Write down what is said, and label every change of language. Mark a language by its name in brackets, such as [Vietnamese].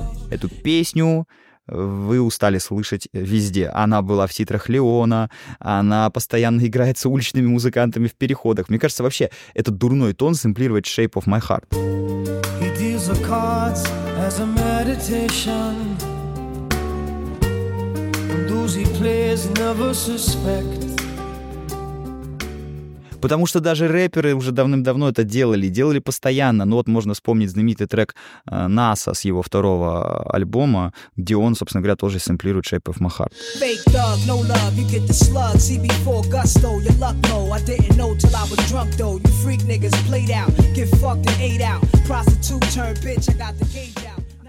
[Russian] Эту песню вы устали слышать везде. Она была в титрах Леона, она постоянно играется уличными музыкантами в переходах. Мне кажется, вообще, это дурной тон сэмплировать Shape of My Heart. [English] He deals the cards as a meditation. And those he plays never suspect. [Russian] Потому что даже рэперы уже давным-давно это делали, делали постоянно. Ну вот можно вспомнить знаменитый трек NASA с его второго альбома, где он, собственно говоря, тоже сэмплирует Shape of My Heart. [English] Love, no love.